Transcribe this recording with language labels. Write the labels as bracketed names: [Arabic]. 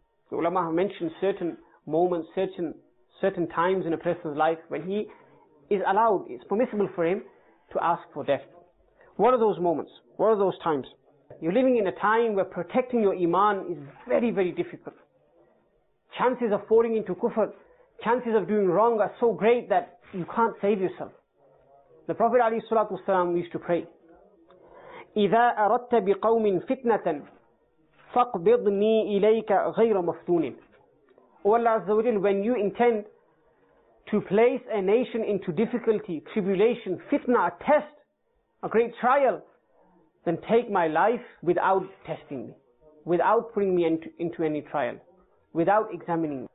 [English] The ulama have mentioned certain moments, certain times in a person's life when he is allowed, it's permissible for him to ask for death. What are those moments? What are those times? You're living in a time where protecting your iman is very, very difficult. Chances of falling into kufr, chances of doing wrong are so great that you can't save yourself. The Prophet ﷺ used to pray, [Arabic] إِذَا أَرَدْتَ بِقَوْمٍ فِتْنَةً فَاقْبِضْنِي إِلَيْكَ غَيْرَ مَفْتُونٍ. [English] O Allah Azza wa Jal, when you intend to place a nation into difficulty, tribulation, fitna, a test, a great trial, then take my life without testing me, without putting me into any trial, without examining me.